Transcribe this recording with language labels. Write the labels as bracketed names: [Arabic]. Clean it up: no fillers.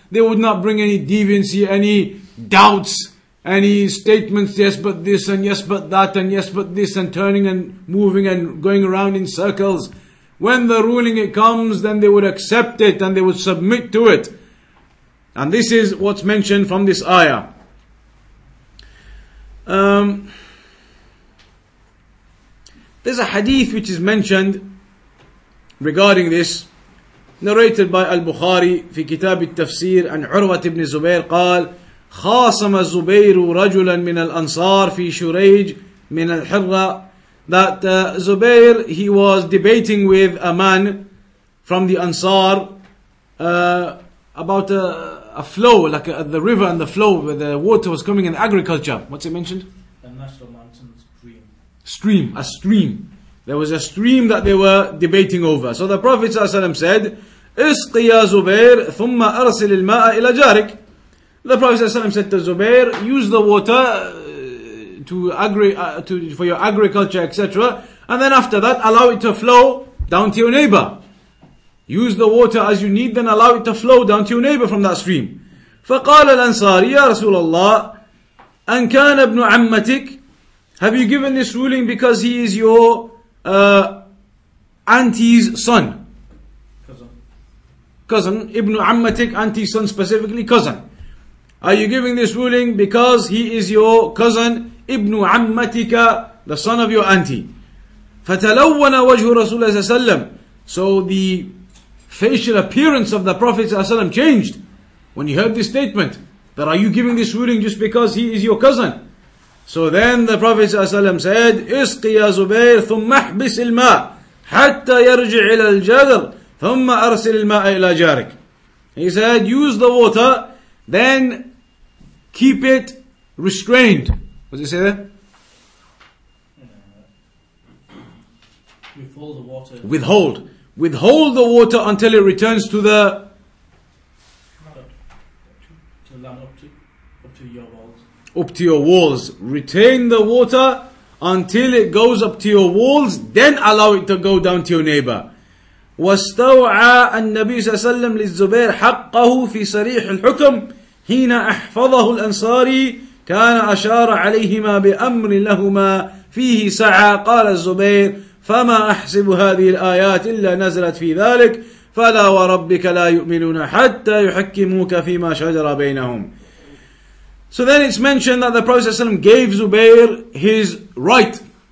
[English] They would not bring any deviancy, any doubts, any statements, yes but this and yes but that and yes but this and turning and moving and going around in circles. When the ruling it comes, then they would accept it and they would submit to it. And this is what's mentioned from this ayah. There's a hadith which is mentioned regarding this, narrated by Al-Bukhari [Arabic] في كتاب التفسير عن عروة بن زبير قال خاصم الزبير رجلا من الأنصار في شريج من الحرة. [English] That Zubair, he was debating with a man from the Ansar about a flow, like the river and the flow where the water was coming in agriculture. What's it mentioned? A national mountain stream. Stream, a stream. There was a stream that they were debating over. So the Prophet ﷺ said, [Arabic] اسقي يا زبير ثم أرسل الماء إلى جارك. [English] The Prophet ﷺ said to Zubair, use the water for your agriculture, etc. And then after that, allow it to flow down to your neighbor. Use the water as you need, then allow it to flow down to your neighbor from that stream. [Arabic] فقال الأنصاري يا رسول الله أن كان ابن عمتك. [English] Have you given this ruling because he is your auntie's son? Cousin. Ibn Ammatik, auntie's son specifically, cousin. Are you giving this ruling because he is your cousin? Ibn Ammatika, the son of your auntie. [Arabic] فَتَلَوَّنَ وَجْهُ رَسُولَ سَلَّمْ. [English] So the facial appearance of the Prophet ﷺ changed when he heard this statement. That are you giving this ruling just because he is your cousin? So then the Prophet ﷺ said, [Arabic] اسقي يا زبير ثم احبس الماء حتى يرجع إلى الجدر ثم أرسل الماء إلى جارك. [English] He said, use the water, then keep it restrained. What does it say there? Withhold the water. Withhold. Withhold the water until it returns to the... to land up to your walls. Up to your walls. Retain the water until it goes up to your walls, then allow it to go down to your neighbor. [Arabic] وَاسْتَوْعَى النَّبِيُّ صَلَّى اللَّهُ عَلَيْهِ وَسَلَّمْ لِلزُّبَيْرِ حَقَّهُ فِي صَرِيحِ الْحُكْمِ حِينَ أَحْفَظَهُ الْأَنصَارِ كان أشار عليهما بأمر لهما فيه سعى. قال الزبير فما أحسب هذه الآيات إلا نزلت في ذلك فلا وربك لا يؤمنون حتى يحكموك فيما شجر بينهم. [English] So then it's mentioned that the Prophet ﷺ gave Zubair his right.